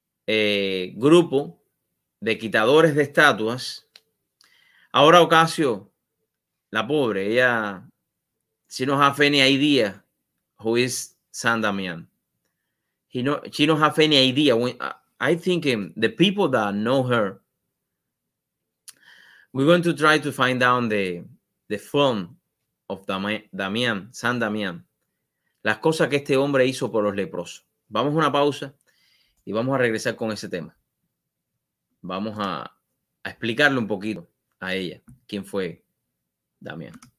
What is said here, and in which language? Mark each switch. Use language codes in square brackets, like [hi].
[es] grupo de quitadores de estatuas, ahora Ocasio, la pobre, ella si no [en] have any idea who is [es] San Damián. [en] She don't have any idea. I think the people that know her, we're going to try to find out the phone of Damián, San Damián. [es] Las cosas que este hombre hizo por los leprosos. Vamos a una pausa y vamos a regresar con ese tema. Vamos a explicarle un poquito a ella quién fue Damián.